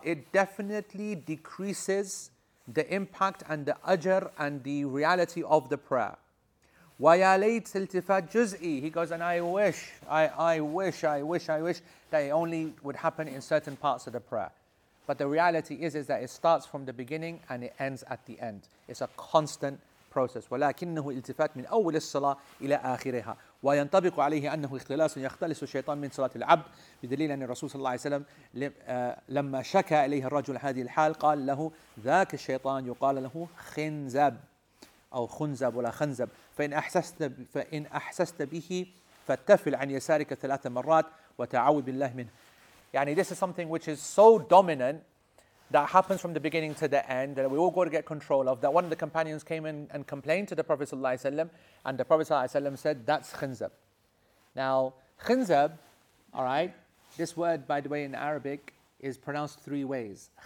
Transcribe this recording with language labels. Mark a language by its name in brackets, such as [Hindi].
[English] It definitely decreases the impact and the ajr and the reality of the prayer. [Arabic] وَيَا لَيْتِ الْتِفَاتْ جُزْئِي. [English] He goes, and I wish that it only would happen in certain parts of the prayer. But the reality is that it starts from the beginning and it ends at the end. It's a constant process. [Arabic] ولكنه التفات من أول الصلاة إلى آخرها. وينطبق عليه أنه اختلاس يختلس الشيطان من صلاة العبد بدليل أن الرسول صلى الله عليه وسلم لما شكى إليه الرجل هذه الحال قال له ذاك الشيطان يقال له خنزب أو خنزب ولا خنزب فإن أحسست به فتفل عن يسارك ثلاث مرات وتعوذ بالله منه. يعني [English] this is something which is so dominant that happens from the beginning to the end that we all got to get control of, that one of the companions came in and complained to the Prophet ﷺ, and the Prophet ﷺ said, that's khinzab. Now, khinzab, all right, this word, by the way, in Arabic is pronounced three ways.